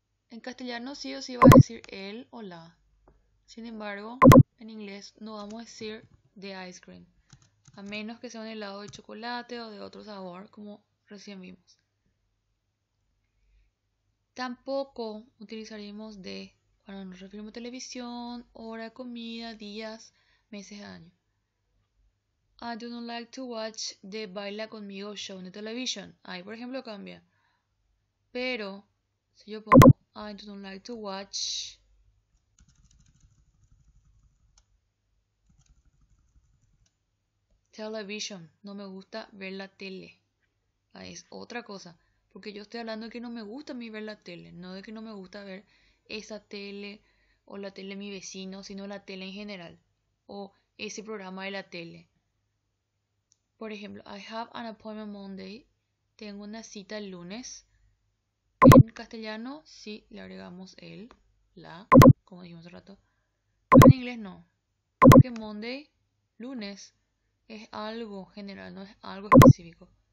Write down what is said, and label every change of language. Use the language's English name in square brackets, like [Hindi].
[Spanish] En castellano sí o sí va a decir él o la. Sin embargo, en inglés no vamos a decir [English] the ice cream. [Spanish] A menos que sea un helado de chocolate o de otro sabor, como recién vimos. Tampoco utilizaríamos de cuando nos referimos a televisión, hora de comida, días, meses, años. [English] I do not like to watch the Baila Conmigo show on the television. [Spanish] Ahí, por ejemplo, cambia. Pero, si yo pongo [English] I don't like to watch television. [Spanish] No me gusta ver la tele. Ahí es otra cosa. Porque yo estoy hablando de que no me gusta a mí ver la tele, no de que no me gusta ver esa tele o la tele de mi vecino, sino la tele en general o ese programa de la tele. Por ejemplo, [English] I have an appointment Monday. [Spanish] Tengo una cita el lunes. En castellano, sí, le agregamos el, la, como dijimos hace rato. En inglés, no. Porque Monday, lunes, es algo general, no es algo específico.